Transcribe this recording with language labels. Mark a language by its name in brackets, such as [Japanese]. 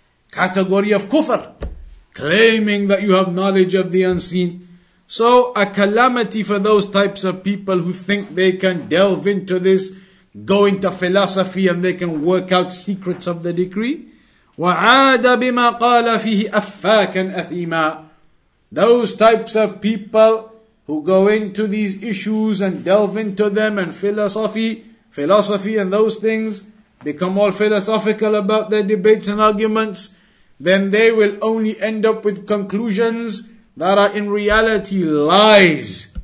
[English] Category of kufr, claiming that you have knowledge of the unseen. So a calamity for those types of people who think they can delve into this, go into philosophy and they can work out secrets of the decree. [Arabic] وَعَادَ بِمَا قَالَ فِيهِ أَفَّاكًا أَثِيمًا. [English] Those types of people who go into these issues and delve into them and philosophy and those things, become all philosophical about their debates and arguments, then they will only end up with conclusions that are in reality lies.